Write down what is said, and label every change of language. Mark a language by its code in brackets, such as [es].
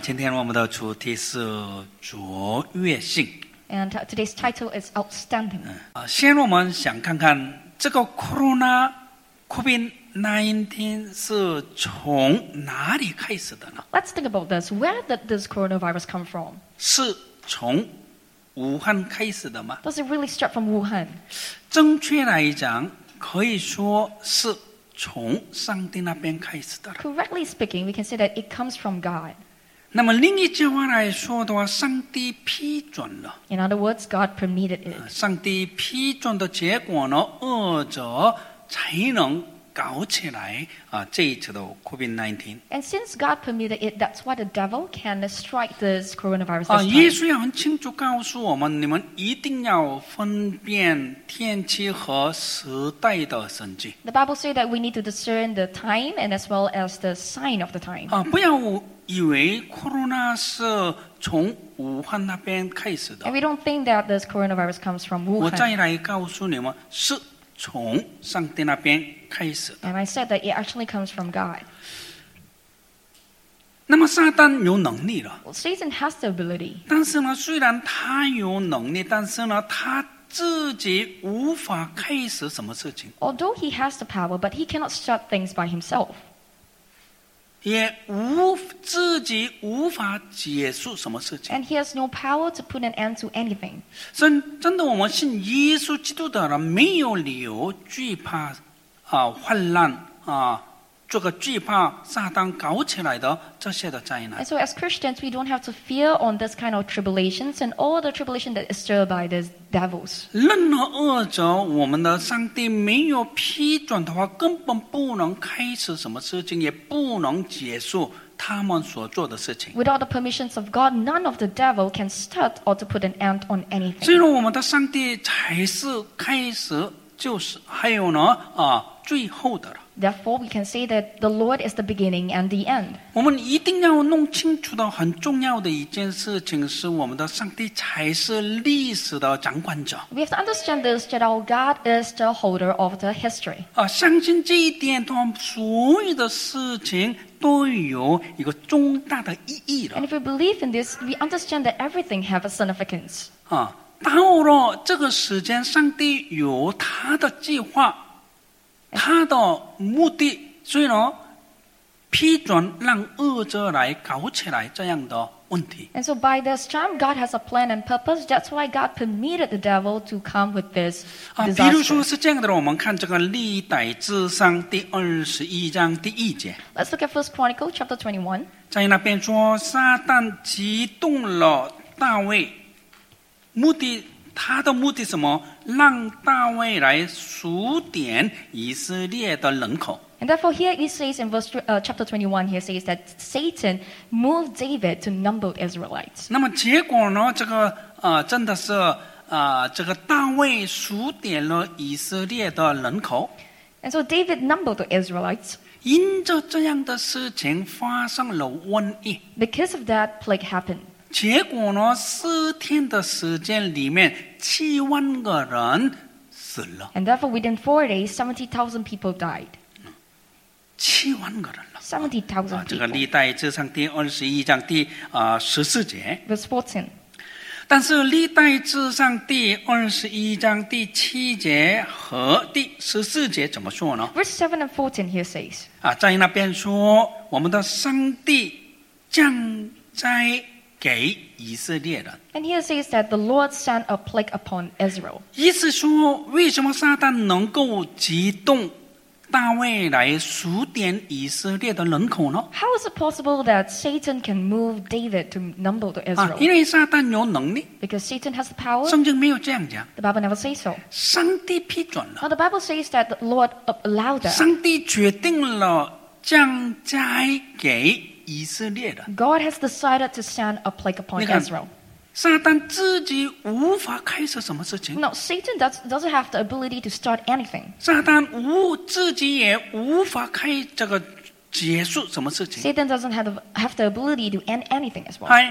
[zh] 今天我们的主题是卓越性。 [en] And today's title is outstanding. [zh] 先我们想看看这个 COVID-19 是从哪里开始的呢？ [en] Let's think about this. Where did this coronavirus come from? [zh] 是从武汉开始的吗？ [en] Does it really start from Wuhan? [zh] 正确来讲可以说是从上帝那边开始的。 [en] Correctly speaking, we can say that it comes from God. [zh] 那么另一句话来说的话，上帝批准了。 [en] In other words, God permitted it. [zh] 上帝批准的结果呢，恶者才能搞起来啊，这一次的 COVID-19。 [en] And since God permitted it, that's why the devil can strike this coronavirus. [zh] 耶稣也很清楚告诉我们，你们一定要分辨天气和时代的神迹。 [en] The Bible says that we need to discern the time and as well as the sign of the time. [zh] 不要以为 corona 是从武汉那边开始的。 [en] And we don't think that this coronavirus comes from Wuhan. [zh] 我再来告诉你们，是从上帝那边开始的。 [en] And I said that it actually comes from God. [zh] 那么撒旦有能力了。 [en] Well, Satan has the ability. [zh] 但是呢，虽然他有能力，但是呢，他自己无法开始什么事情。 [en] Although he has the power, but he cannot start things by himself. [zh] 也自己无法结束什么事情。 [en] And he has no power to put an end to anything. [zh] 所以，真的，我们信耶稣基督的人没有理由惧怕。患难这个惧怕撒旦搞起来的这些的灾难。 [en] And so as Christians, we don't have to fear on this kind of tribulations and all the tribulation that is stirred by these devils. [zh] 任何恶者，我们的上帝没有批准的话，根本不能开始什么事情，也不能结束他们所做的事情。 [en] Without the permissions of God, none of the devil can start or to put an end on anything. [zh] 只有我们的上帝才是开始。就是还有呢最后的了。 [en] Therefore, we can say that the Lord is the beginning and the end. [zh] 我们一定要弄清楚的很重要的一件事情是我们的上帝才是历史的掌管者。 [en] We have to understand this, that our God is the holder of the history. [zh] 相信这一点的话，所有的事情都有一个重大的意义了。 [en] And if we believe in this, we understand that everything has a significance. [zh] 到了这个时间，上帝有他的计划，他的目的，所以呢，批准让恶者来搞起来这样的问题。 [en] And so by this time, God has a plan and purpose. That's why God permitted the devil to come with this disaster. [zh] 比如说是这样的，我们看这个历代志上第21:1。 [en] Let's look at First Chronicles chapter 21. [zh] 在那边说，撒旦激动了大卫。目的，他的目的什么？让大卫来数点以色列的人口。 [en] And therefore, here it says in verse chapter 21, here says that Satan moved David to number Israelites. [zh] 那么结果呢？这个真的是这个大卫数点了以色列的人口。 [en] And so David numbered the Israelites. [zh] 因着这样的事情发生了瘟疫。 [en] Because of that, plague happened. [zh] 结果呢？四天的时间里面，70,000人死了。 [en] And therefore, within 4 days, 70,000 people died. [zh] 70,000人了。 [en] 70,000 people. [zh] 这个历代志上第21:14。 [en] Verse 14. [zh] 但是历代志上第21:7和第14怎么说呢 [en] ？Verse 7 and 14 here says. [zh] 在那边说，我们的上帝降灾。给以色列人。 [en] And here says that the Lord sent a plague upon Israel. [zh] 意思说，为什么撒旦能够激动大卫来数点以色列的人口呢 [en] ？How is it possible that Satan can move David to number the Israel？ [zh] 因为撒旦有能力。 [en] Because Satan has the power。 [zh] 圣经没有这样讲。 [en] The Bible never says so。 [zh] 上帝批准了。 [en] But the Bible says that the Lord allowed that。 [zh] 上帝决定了降灾给。以色列的。 [en] God has decided to send a plague upon Israel. [zh] 撒旦自己无法开始什么事情。 [en] No, Satan doesn't have the ability to start anything. [zh] 撒旦自己也无法开这个结束什么事情。 [en] Satan doesn't have the ability to end anything as well.